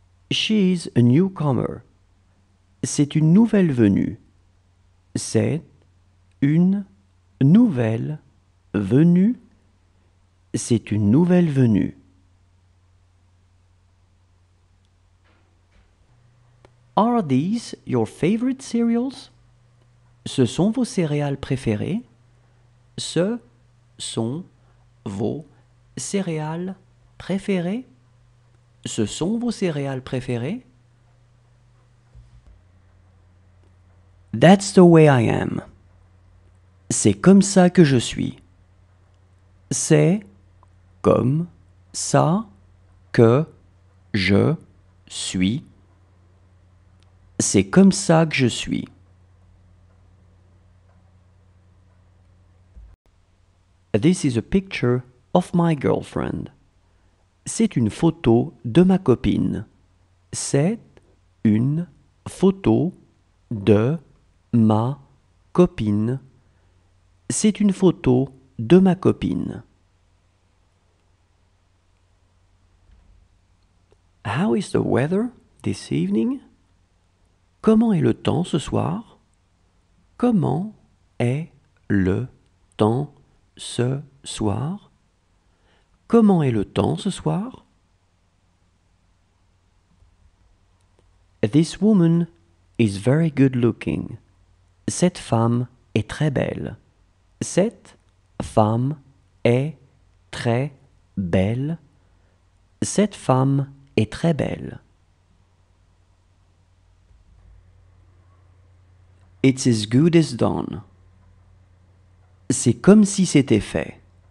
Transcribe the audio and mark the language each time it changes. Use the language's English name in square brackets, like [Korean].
[English] She is a newcomer. [French] C'est une nouvelle venue. C'est une nouvelle venue. C'est une nouvelle venue. [English] Are these your favorite cereals? [French] Ce sont vos céréales préférées? Ce sont vos céréales préférées? Ce sont vos céréales préférées? [English] That's the way I am. [French] C'est comme ça que je suis. C'est comme ça que je suis. C'est comme ça que je suis. [English] This is a picture of my girlfriend. [French] C'est une photo de ma copine. C'est une photo de ma copine. C'est une photo de ma copine. [English] How is the weather this evening? [French] Comment est le temps ce soir? Comment est le temps ce soir? Comment est le temps ce soir? [English] This woman is very good looking. [French] Cette femme est très belle. Cette femme est très belle. Cette femme est très belle. [English] It's as good as done. [French] C'est comme si c'était fait.